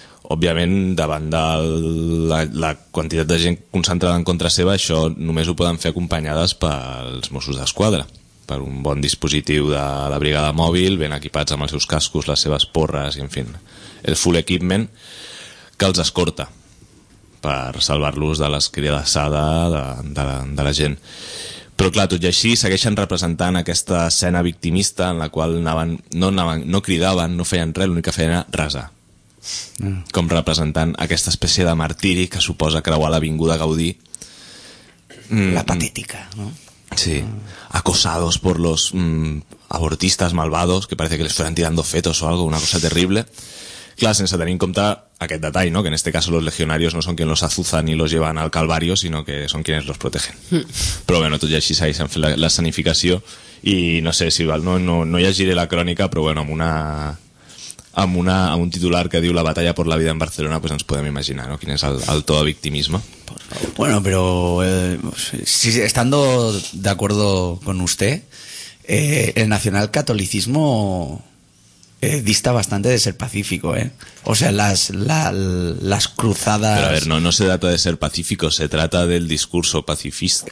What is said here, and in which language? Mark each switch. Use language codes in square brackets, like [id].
[ca] Òbviament, davant de la quantitat de gent concentrada en contra seva, això només ho poden fer acompanyades pels Mossos d'Esquadra, per un bon dispositiu de la brigada mòbil, ben equipats amb els seus cascos, les seves porres i, en fi, el [en] full equipment [ca] que els escorta per salvar-los de l'escridassada de la gent. Però, clar, tot i així, segueixen representant aquesta escena victimista en la qual no cridaven, no feien res, l'únic que feien era resar. Com representant aquesta espècie de martiri que suposa creuar l'Avinguda Gaudí. La patètica, no? Sí. [es] Acosados por los abortistas malvados, que parece que les fueran tirando fetos o algo, una cosa terrible. [ca] Clar, sense tenir en compte aquest detall, no? [es] Que en este caso los legionarios no son quien los azuzan y los llevan al calvario, sino que son quienes los protegen. [ca] Però bueno, tot i així s'han fet la escenificació, i no sé si val, no llegiré la crònica, però bueno, amb un titular que diu [es] la batalla por la vida en Barcelona, [ca] pues ens podem imaginar, no?, quin és el to de victimisme. [es] Bueno, pero si, estando de acuerdo con usted, el nacionalcatolicismo dista bastante de ser pacífico, ¿eh? O sea, las cruzadas... Pero a ver, no se trata de ser pacífico, se trata del discurso pacifista.